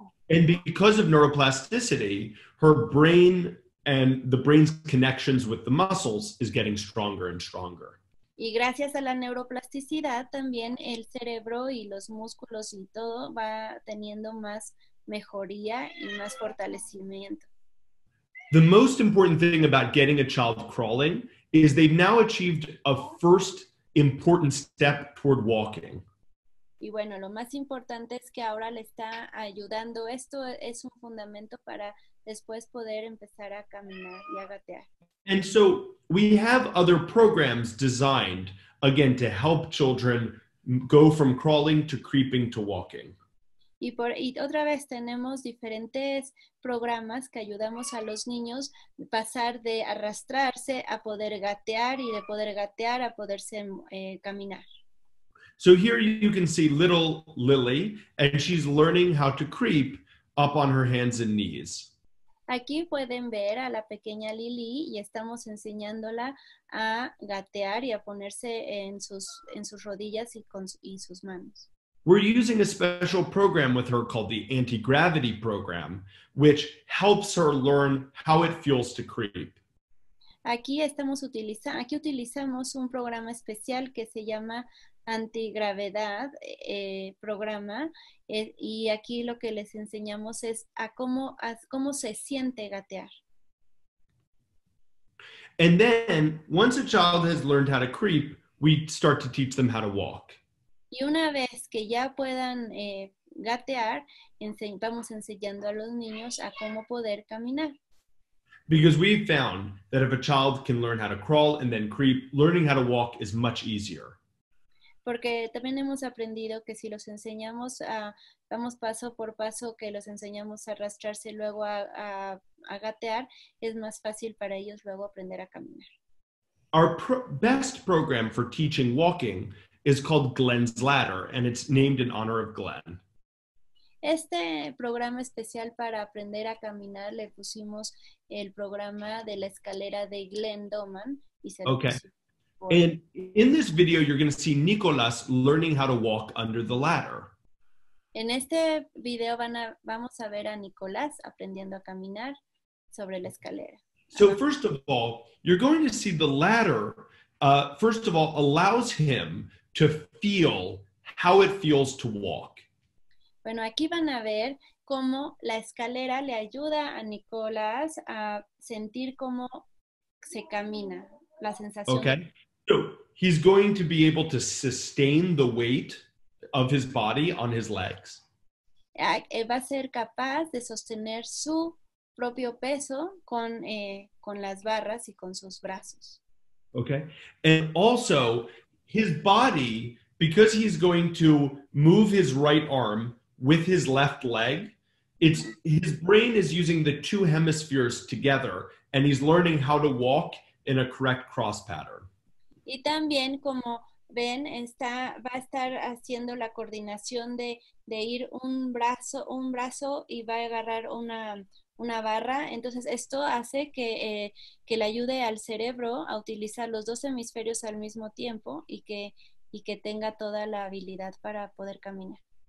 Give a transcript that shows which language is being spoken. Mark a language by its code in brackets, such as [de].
[en] And because of neuroplasticity, her brain and the brain's connections with the muscles is getting stronger and stronger. [es] Y gracias a la neuroplasticidad, también el cerebro y los músculos y todo va teniendo más mejoría y más fortalecimiento. [en] The most important thing about getting a child crawling is they've now achieved a first important step toward walking. [es] Y bueno, lo más importante es que ahora le está ayudando. Esto es un fundamento para después poder empezar a caminar y a gatear. [en] And so we have other programs designed, again, to help children go from crawling to creeping to walking. [es] Y otra vez tenemos diferentes programas que ayudamos a los niños pasar de arrastrarse a poder gatear y de poder gatear a poderse caminar. [en] So here you can see little Lily, and she's learning how to creep up on her hands and knees. [es] Aquí pueden ver a la pequeña Lily y estamos enseñándola a gatear y a ponerse en sus rodillas y sus manos. [en] We're using a special program with her called the anti-gravity program, which helps her learn how it feels to creep. [es] Aquí utilizamos un programa especial que se llama antigravedad programa, y aquí lo que les enseñamos es a cómo se siente gatear. [en] And then, once a child has learned how to creep, we start to teach them how to walk. [es] Y una vez que ya puedan gatear, vamos enseñando a los niños a cómo poder caminar. [en] Because we've found that if a child can learn how to crawl and then creep, learning how to walk is much easier. [es] Porque también hemos aprendido que si los enseñamos vamos paso por paso, que los enseñamos a arrastrarse y luego a gatear, es más fácil para ellos luego aprender a caminar. [en] Our best program for teaching walking is called Glenn's Ladder, and it's named in honor of Glenn. [es] Este programa especial para aprender a caminar le pusimos el programa de la escalera de Glenn Doman. [en] Okay. And in this video, you're going to see Nicolas learning how to walk under the ladder. [es] En este video vamos a ver a Nicolás aprendiendo a caminar sobre la escalera. [en] So first of all, you're going to see the ladder, first of all, allows him to feel how it feels to walk. [es] Bueno, aquí van a ver cómo la escalera le ayuda a Nicolás a sentir cómo se camina. La sensación. [en] Okay, so he's going to be able to sustain the weight of his body on his legs. [es] Va a ser capaz de sostener su propio peso con las barras y con sus brazos. [en] Okay. And also, his body, because he's going to move his right arm with his left leg, it's his brain is using the two hemispheres together, and he's learning how to walk in a correct cross pattern. [es] Y también, como ven, está, va a estar haciendo la coordinación de ir un brazo y va a agarrar una barra. Entonces, esto hace que le ayude al cerebro a utilizar los dos hemisferios al mismo tiempo y que tenga toda la habilidad para poder caminar.